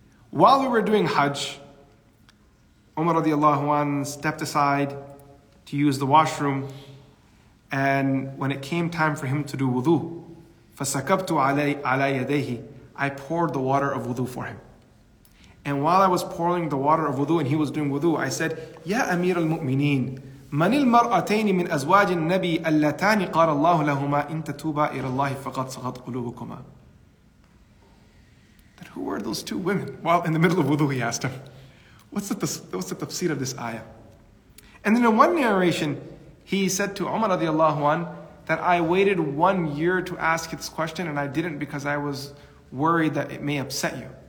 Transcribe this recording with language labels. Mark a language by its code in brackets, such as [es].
[en] While we were doing Hajj, Umar radiallahu anhu stepped aside to use the washroom. And when it came time for him to do wudu, [ar] فَسَكَبْتُ عَلَى يَدَيْهِ, [en] I poured the water of wudu for him. And while I was pouring the water of wudu and he was doing wudu, I said, [ar] يَا أَمِيرَ الْمُؤْمِنِينَ مَنِ الْمَرْأَتَيْنِ مِنْ أَزْوَاجِ النَّبِي أَلَّتَانِ قَالَ اللَّهُ لَهُمَا إِن تَتُوبَا إِلَى اللَّهِ فَقَدْ سَغَتْ قُلُوبُكُمَا. [en] Who are those two women? Well, in the middle of wudu, he asked him. What's the tafsir of this ayah? And then in one narration, he said to Umar radiallahu anhu that I waited 1 year to ask this question and I didn't because I was worried that it may upset you.